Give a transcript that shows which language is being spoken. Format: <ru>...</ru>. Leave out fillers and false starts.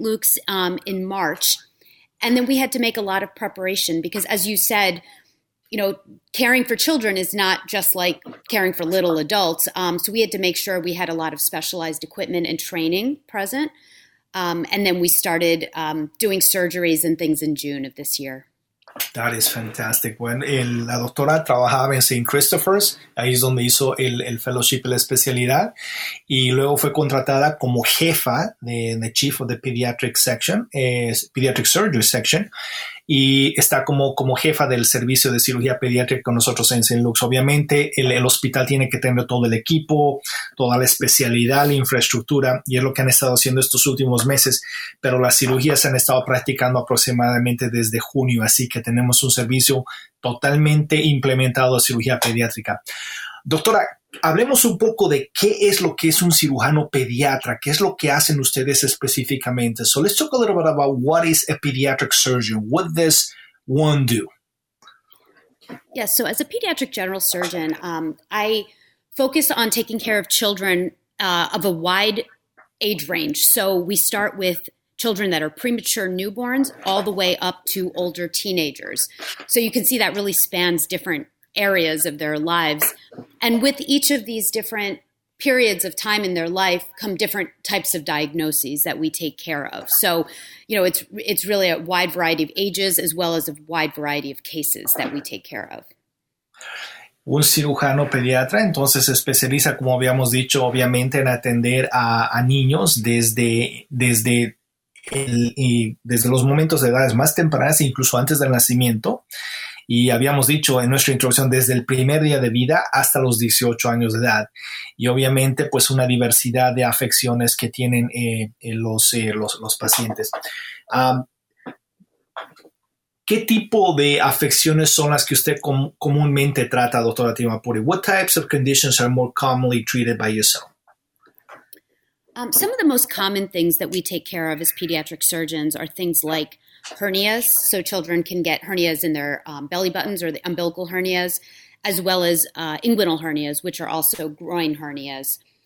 <en>Luke's in March, and then we had to make a lot of preparation because, as you said, you know, caring for children is not just like caring for little adults. So we had to make sure we had a lot of specialized equipment and training present. And then we started doing surgeries and things in June of this year. That is fantastic.</en> <es>Bueno, la doctora trabajaba en St. Christopher's, ahí es donde hizo el fellowship, la especialidad, y luego fue contratada como jefa de</es> <en>Chief of the Pediatric Section, Pediatric Surgery Section,</en> <es>y está como jefa del servicio de cirugía pediátrica con nosotros en St. Luke's. Obviamente, el hospital tiene que tener todo el equipo, toda la especialidad, la infraestructura, y es lo que han estado haciendo estos últimos meses, pero las cirugías se han estado practicando aproximadamente desde junio, así que tenemos un servicio totalmente implementado de cirugía pediátrica. Doctora, hablemos un poco de qué es lo que es un cirujano pediatra, qué es lo que hacen ustedes específicamente.</es> <en>So let's talk a little bit about what is a pediatric surgeon. What does one do? Yes, so as a pediatric general surgeon, I focus on taking care of children of a wide age range. So we start with children that are premature newborns all the way up to older teenagers. So you can see that really spans different areas of their lives. And with each of these different periods of time in their life come different types of diagnoses that we take care of. So, you know, it's really a wide variety of ages as well as a wide variety of cases that we take care of.</en> <es>Un cirujano pediatra, entonces, se especializa, como habíamos dicho, obviamente, en atender a niños desde los momentos de edades más tempranas, incluso antes del nacimiento. Y habíamos dicho en nuestra introducción, desde el primer día de vida hasta los 18 años de edad. Y obviamente, pues una diversidad de afecciones que tienen los pacientes. ¿Qué tipo de afecciones son las que usted comúnmente trata, doctora Timapuri?</es> <en>What types of conditions are more commonly treated by yourself? Some of the most common things that we take care of as pediatric surgeons are things like hernias, so children can get hernias in their belly buttons or the umbilical hernias, as well as inguinal hernias, which are also groin hernias.</en>